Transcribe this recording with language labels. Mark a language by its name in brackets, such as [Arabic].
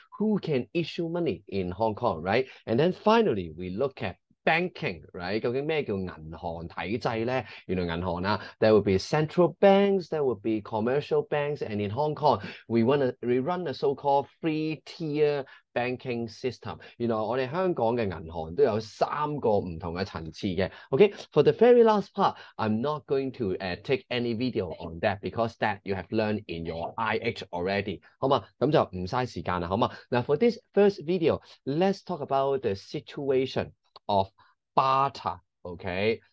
[English] Who can issue money in Hong Kong, right? And then finally, we look at banking, right? [Cantonese] 究竟咩叫銀行體制呢? 原來銀行啊, [English] there will be central banks, there will be commercial banks, and in Hong Kong, we run a so-called three-tier banking system. [Cantonese] 原來我哋香港嘅銀行都有三個唔同嘅層次嘅. [English] Okay, for the very last part, I'm not going to take any video on that because that you have learned in your IH already. [Cantonese] 好嘛，咁就唔嘥時間啦，好嘛? [English] Now for this first video, let's talk about the situation of barter, okay?